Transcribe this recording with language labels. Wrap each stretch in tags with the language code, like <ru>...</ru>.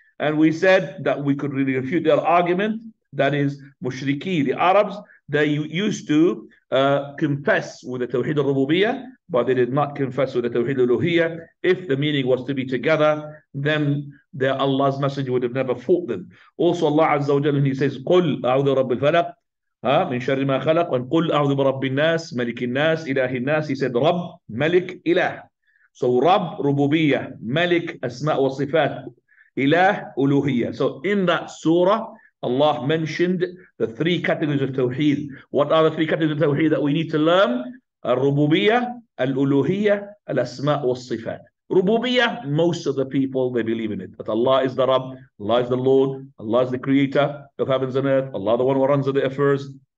<en>And we said that we could really refute their argument. That is Mushriki, the Arabs, they used to confess with the Tawheed al-Rububiyyah, but they did not confess with the Tawheed al-Uluhiyyah. If the meaning was to be together, then their Allah's messenger would have never fought them. Also Allah Azza wa Jalla, when he says,</en> <ar>قُلْ أَعُوذُ رَبِّ الْفَلَقِ من شر ما خلق وقل اعوذ برب الناس ملك الناس اله الناس.</ar> <en>He said</en> <ar>رب ملك اله. So رب ربوبية ملك اسماء وصفات اله ألوهية.</ar> <en>So in that surah Allah mentioned the three categories of tawheed. What are the three categories of tawheed that we need to learn?</en> <ar>الربوبية الألوهية الاسماء والصفات.</ar> <en>Rububiyyah, most of the people, they believe in it. That Allah is the Rabb, Allah is the Lord, Allah is the creator of heavens and earth, Allah the one who runs the affairs.</en>